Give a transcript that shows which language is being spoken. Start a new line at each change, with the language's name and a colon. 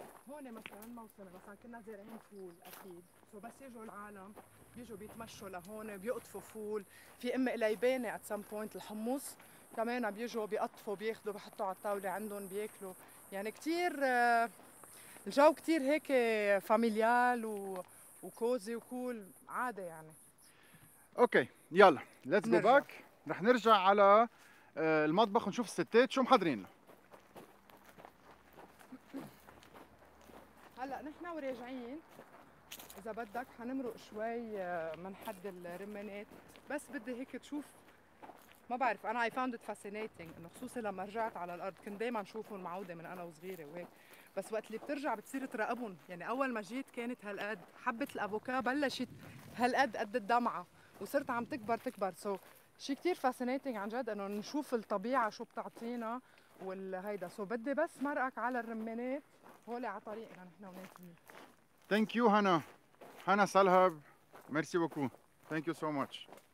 Arabic: هون مثلاً موسمي، مثلاً كنا زارعين فول أكيد، سو بس يجوا العالم بيجوا بيتمشوا لهون بيقطفوا فول. في أم قليبانة
English: at some point
Arabic: الحمص كمان بيجوا بيقطفوا بياخدوا بحطوا على الطاولة عندهم بياكلوا. يعني كتير الجو كتير هيك
English: فاميليال وكوزي وكول
Arabic: عادة يعني. أوكي يلا
English: let's go back.
Arabic: رح نرجع على المطبخ ونشوف الستات شو محضرين له. هلا نحن وراجعين اذا بدك حنمرق شوي من حد الرمانات، بس بدي هيك تشوف ما بعرف انا
English: I found it fascinating
Arabic: انه خصوصا لما رجعت على الارض كنت دائما اشوفهم معوده من انا وصغيره وهيك، بس وقت اللي بترجع بتصير تراقبهم. يعني اول ما جيت كانت هالقد حبه الافوكا، بلشت هالقد قد الدمعه وصرت عم تكبر. سو شيء كثير fascinating عن جد انه نشوف الطبيعه شو بتعطينا والهيدا. سو بدي بس مرقك على الرمانات هولي على طريقنا نحن وناسين.
English: Thank you Hana Salhab,
French: ميرسي بوكو،
English: thank you so much.